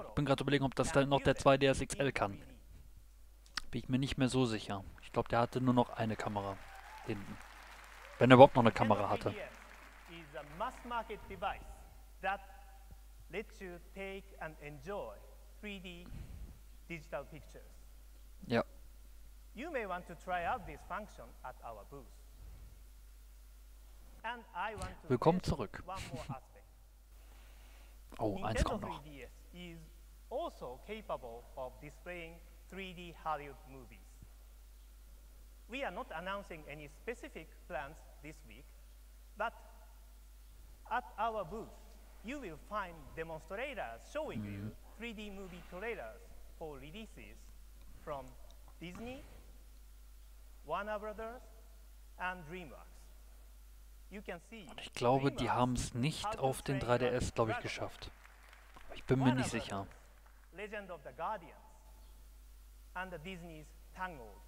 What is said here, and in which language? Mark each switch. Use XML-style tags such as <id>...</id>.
<de>Ich bin gerade überlegen, ob das dann noch der 2DS XL kann. Bin ich mir nicht mehr so sicher. Ich glaube, der hatte nur noch eine Kamera hinten. Wenn er überhaupt noch eine Kamera hatte.</de> <en>Is a mass market device that lets you take and enjoy 3D digital pictures. Yep. You may want to try out this function at our booth. And I want to</en> <de>Willkommen zurück.</de> <en>One more aspect.</en> <de>Oh, eins kommt noch.</de> <en>Nintendo 3DS is also capable of displaying 3D Hollywood movies. We are not announcing any specific plans this week, but at our booth, you will find demonstrators showing you 3D movie trailers for releases from Disney, Warner Brothers and DreamWorks. You can see.</en> <de>Und ich glaube, die haben es nicht auf den 3DS, glaube ich, geschafft. Ich bin mir nicht sicher.</de> <en>Legend of the Guardians and the Disney's Tangled.</en>